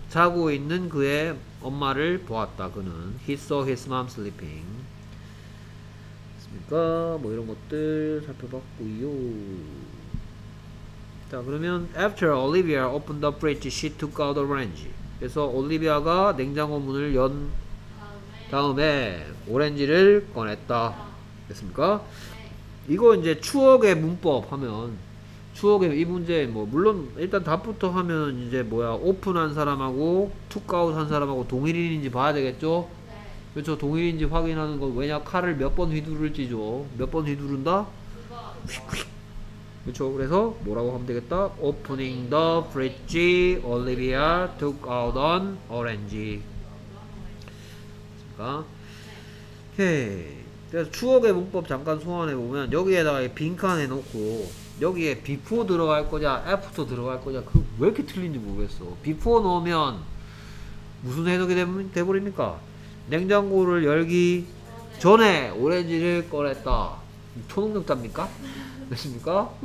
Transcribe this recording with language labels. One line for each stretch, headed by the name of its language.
Korean: 자고 있는 그의 엄마를 보았다. 그는
English: he saw his mom sleeping.
Korean: 됐습니까? 뭐 이런 것들 살펴봤고요. 자 그러면
English: after Olivia opened the fridge, she took out the orange.
Korean: 그래서 올리비아가 냉장고 문을 연 다음에 오렌지를 꺼냈다. 됐습니까? 이거 이제 추억의 문법 하면 추억의 이 문제 뭐 물론 일단 답부터 하면 이제 뭐야 오픈한 사람하고 투카웃 한 사람하고 동일인인지 봐야 되겠죠? 그렇죠. 동일인지 확인하는 건 왜냐 칼을 몇 번 휘두를지죠. 몇 번 휘두른다? 그렇죠. 그래서 뭐라고 하면 되겠다?
English: Opening the fridge, Olivia took out an orange.
Korean: 그러니까 오케이. 그래서 추억의 문법 잠깐 소환해 보면 여기에다가 빈칸에 놓고 여기에 before 들어갈 거냐 after 들어갈 거냐 그 왜 이렇게 틀린지 모르겠어. before 넣으면 무슨 해석이 돼 버립니까? 냉장고를 열기 전에 오렌지를 꺼냈다. 초능력자입니까? 됐습니까?